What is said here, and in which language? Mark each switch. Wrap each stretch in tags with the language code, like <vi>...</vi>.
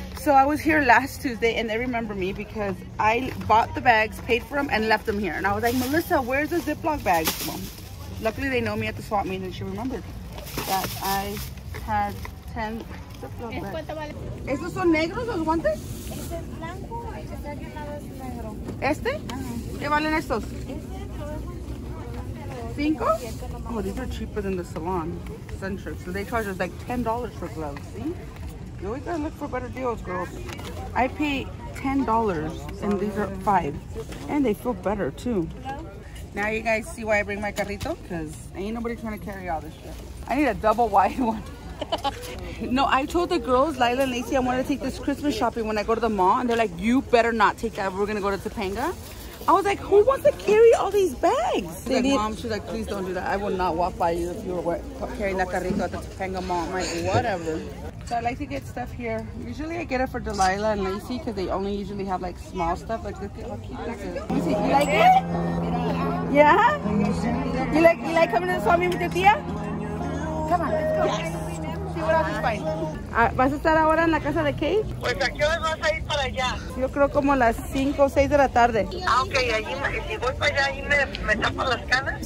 <en>So I was here last Tuesday and they remember me because I bought the bags, paid for them, and left them here. And I was like, Melissa, where's the Ziploc bag? Luckily, they know me at the swap meet, and she remembered that I had 10 Ziploc bags.</en> <es>¿Esos son negros los guantes? Este es blanco, y este de aquí al lado es negro. ¿Este? ¿Qué valen estos? ¿Cinco?</es> <en>Oh, these are cheaper than the salon. Centric. So they charge us like $10 for gloves, see? You always gotta look for better deals, girls. I pay $10, and these are $5. And they feel better, too. Now you guys see why I bring my carrito? Because ain't nobody trying to carry all this shit. I need a double wide one. No, I told the girls, Lila and Lacey, I want to take this Christmas shopping when I go to the mall. And they're like, you better not take that. We're going to go to Topanga. I was like, who wants to carry all these bags? She's like, Mom, she's like, please don't do that. I will not walk by you if you were carrying that carrito at the Topanga mall. I'm like, whatever. So I like to get stuff here. Usually I get it for Delilah and Lacey because they only usually have like small stuff. Like, look at how cute this is. Lacey, you like it? Yeah? You like coming to the swami with your tia? Come on, let's go. Yes.</en> <es>¿Vas a estar ahora en la casa de Kate? Pues, ¿a qué hora vas a ir para allá? Yo creo como a las 5 o 6 de la tarde. Ah, ok. Allí, si voy para allá, ¿ahí me tapo las canas?</es>